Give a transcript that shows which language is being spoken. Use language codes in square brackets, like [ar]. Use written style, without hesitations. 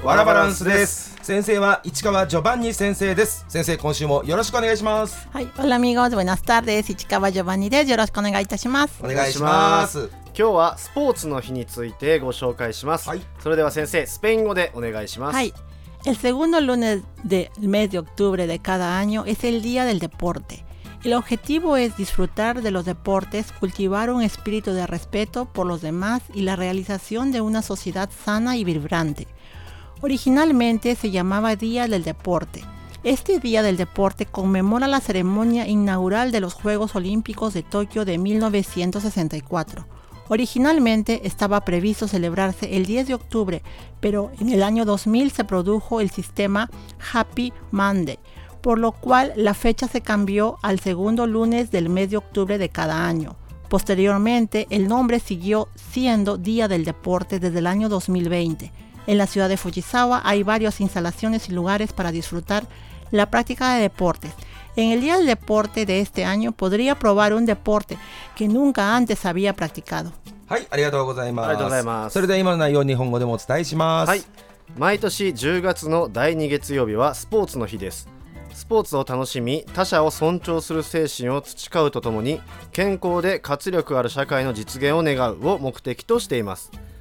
[ja] ワラバランスです。先生は市川ジョバンニ先生です。先生、今週もよろしくお願いします。はい、オラミゴーズブナスタールです。市川ジョバンニです。よろしくお願いいたします。お願いします。今日はスポーツの日についてご紹介します。はい、それでは先生、スペイン語でお願いします。はい、 [es] El segundo lunes del mes de octubre de cada año es el día del deporte. El objetivo es disfrutar de los deportes, cultivar un espíritu de respeto por los demás y la realización de una sociedad sana y vibrante. Originalmente se llamaba Día del Deporte. Este Día del Deporte conmemora la ceremonia inaugural de los Juegos Olímpicos de Tokio de 1964. Originalmente estaba previsto celebrarse el 10 de octubre, pero en el año 2000 se produjo el sistema Happy Monday, por lo cual la fecha se cambió al segundo lunes del mes de octubre de cada año. Posteriormente, el nombre siguió siendo Día del Deporte desde el año 2020. En la ciudad de Fujisawa hay varias instalaciones y lugares para disfrutar la práctica de deportes. En el Día del Deporte de este año podría probar un deporte que nunca antes había practicado. [ja] はい、ありがとうございます。ありがとうございます。それでは今の内容を日本語でもお伝えします。はい。毎年10月の第2月曜日はスポーツの日です。スポーツを楽しみ、他者を尊重する精神を培うとともに、健康で活力ある社会の実現を願うを目的としています。